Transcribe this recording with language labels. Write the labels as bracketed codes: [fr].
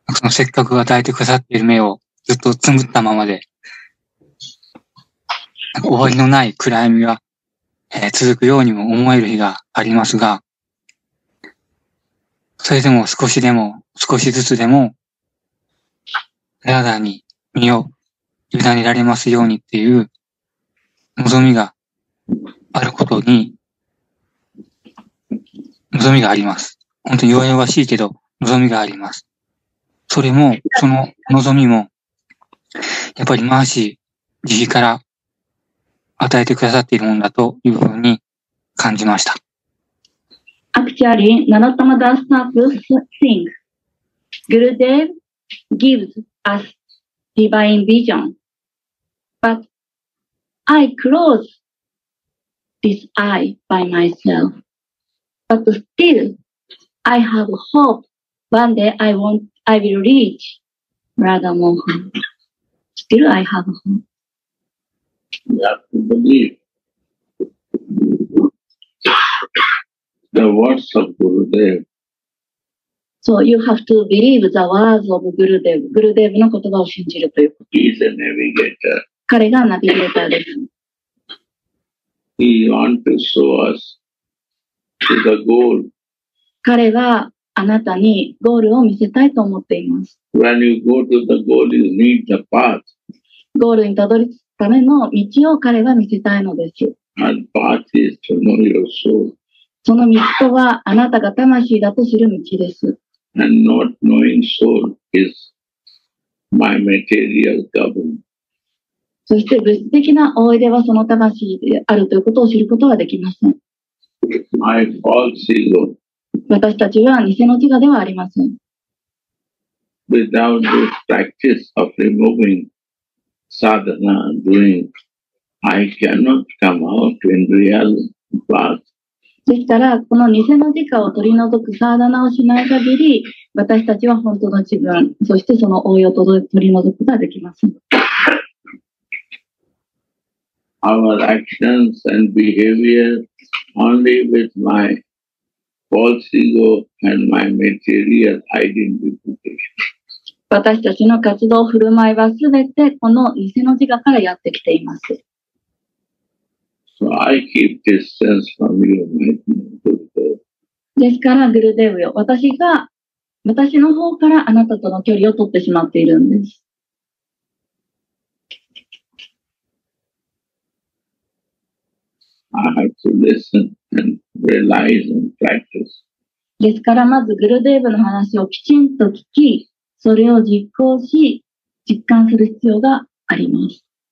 [ja] せっかく与えてくださっている目をずっとつむったままで、終わりのない暗闇が、続くようにも思える日がありますが、それでも少しずつでも、ラダに身を委ねられますようにっていう望みがあることに、望みがあります。本当に弱々しいけど、望みがあります。それも、その望みも、やっぱりマーシー慈悲から与えてくださっているものだというふうに感じました。 [en] Actually, Narottama Das Thakur think Gurudev gives us divine vision. But I close this eye by myself. But still, I have hope one day I will reach Radha Mohan. Still I have hope. You have to believe the words of Gurudev. So you have to believe the words of Gurudev. [ja] Gurudev の言葉を信じるということ。 [en] He is a navigator. [ja] 彼がナビゲーターです。 [en] He want to show us to the goal. [ja] 彼はあなたにゴールを見せたいと思っています。 [en] When you go to the goal, you need the path. [ja] ゴールにたどり着くための道を彼は見せたいのです。 [en] And path is to know your soul. [ja] その道とはあなたが魂だと知る道です。 [en] And not knowing soul is my material government. [ja] そして物質的な思い出はその魂であるということを知ることはできません。 [en] My false ego. [ja] 私たちは偽の自我ではありません。 [en] Without the practice of removing sadhana doing, I cannot come out in real world. [ja] そしたら、この偽の自我を取り除くサーダナをしない限り、私たちは本当の自分、そしてその応用を取り除くことができません。 [en] Our actions and behavior only with my false ego and my material identification. [ja] 私たちの活動、振る舞いはすべてこの偽の自我からやってきています。 [en] So I keep distance from you, my Gurudev. [ja] ですから、グルデーヴよ、私の方からあなたとの距離を取ってしまっているんです。 [en] I have to listen and realize and practice. [ja] ですから、まずグルデーヴの話をきちんと聞き、それを実行し、実感する必要があります。